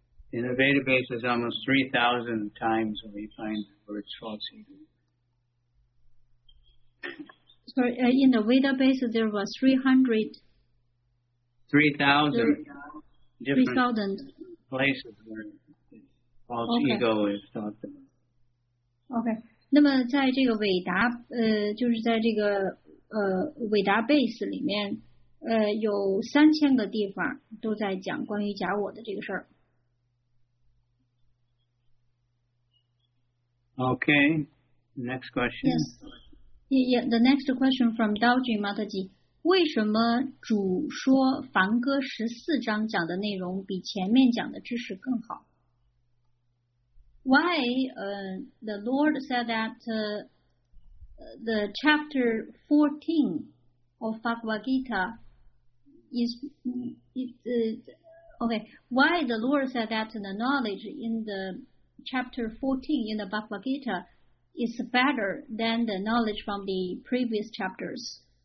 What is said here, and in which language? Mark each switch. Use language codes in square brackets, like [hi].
[en] In the database, there's almost 3,000 times we find the word false ego. Sorry, in the Veda base, there was 300. 3,000 different places where false ego is talked about. Okay. [zh] 那么在这个韦达就是在这个韦达 base 里面有3000个地方都在讲关于假我的这个事儿。 [en] Okay, next question. Yes. Yeah, the next question from Dalji Mataji. [zh] 为什么主说梵歌14章讲的内容比前面讲的知识更好？ [en] Why the Lord said that the chapter 14 of Bhagavad Gita is okay? Why the Lord said that the knowledge in the chapter 14 in the Bhagavad Gita is better than the knowledge from the previous chapters?